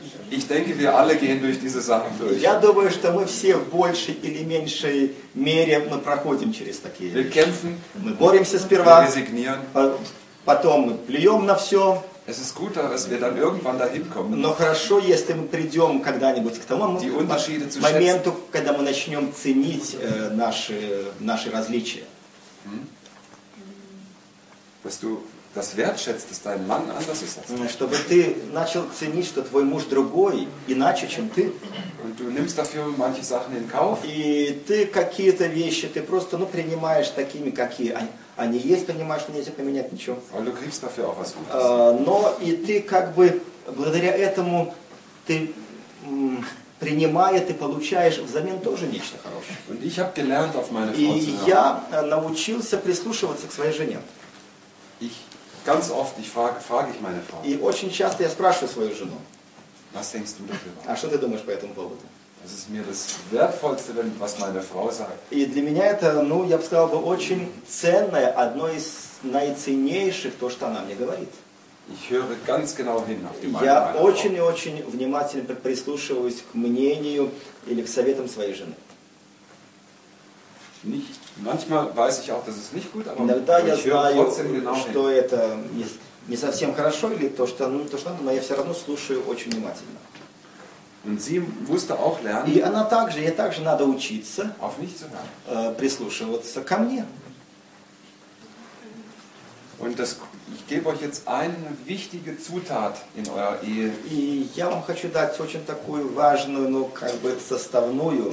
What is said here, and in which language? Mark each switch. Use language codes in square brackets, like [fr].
[de] Ich denke, wir alle gehen durch diese Sachen durch. [ru] Я думаю, что мы все в большей или меньшей мере мы проходим через такие. [de] Wir kämpfen, [ru] мы боремся сперва, [de] wir resignieren, [ru] потом мы плюем на все. [de] Es ist gut, dass wir dann irgendwann dahin kommen. [ru] Но хорошо, если мы придем когда-нибудь к тому моменту, когда мы начнем ценить наши различия. [de] Dass du das wertschätzt, dass dein Mann anders ist als du. [ru] Чтобы ты начал ценить, что твой муж другой, иначе, чем ты. [de] Und du nimmst dafür manche Sachen in Kauf. [ru] И ты какие-то вещи, ты просто, ну, принимаешь такими, какие они есть, понимаешь, что нельзя поменять ничего. [de] Aber du kriegst dafür auch was Gutes. [ru] Но и ты как бы, благодаря этому, ты принимая, ты получаешь взамен тоже нечто хорошее. [de] Und ich habe gelernt auf meine Frau zu hören. [ru] И я научился прислушиваться к своей жене. [de] Ganz oft frage ich meine Frau. [ru] И очень часто я спрашиваю свою жену. [de] Was denkst du dafür? [ru] А что ты думаешь по этому поводу? [de] Das ist mir das Wertvollste, was meine Frau sagt. [ru] И для меня это, ну, я бы сказал бы, очень ценное, одно из наиценнейших, то, что она мне говорит. [de] Ich höre ganz genau hin auf die Meinung meiner Frau. [ru] Я очень и очень внимательно прислушиваюсь к мнению или к советам своей жены. [de] Manchmal weiß ich auch, dass es nicht gut, aber ich höre trotzdem genau hin. [ru] Что это не совсем хорошо или то, что, ну, то, что надо, но я все равно слушаю очень внимательно. [de] Und sie musste auch lernen. [ru] И она также, ей также надо учиться [de] auf mich zu hören. [ru] Прислушиваться ко мне. [de] Und das, ich gebe euch jetzt eine wichtige Zutat in eurer Ehe. [ru] И я вам хочу дать очень такую важную, ну, как бы составную,